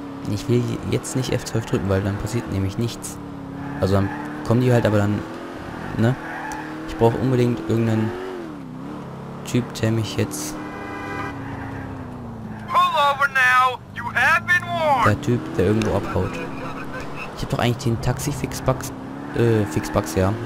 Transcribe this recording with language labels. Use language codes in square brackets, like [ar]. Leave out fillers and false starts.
[de] Ich will jetzt nicht F12 drücken, weil dann passiert nämlich nichts. Also dann kommen die halt, aber dann, ne? Ich brauche unbedingt irgendeinen Typ, der mich jetzt... [en] Pull over now. You have been warned. [de] der Typ, der irgendwo abhaut. Ich habe doch eigentlich den Taxi-Fix-Bug, Fix-Bugs, ja.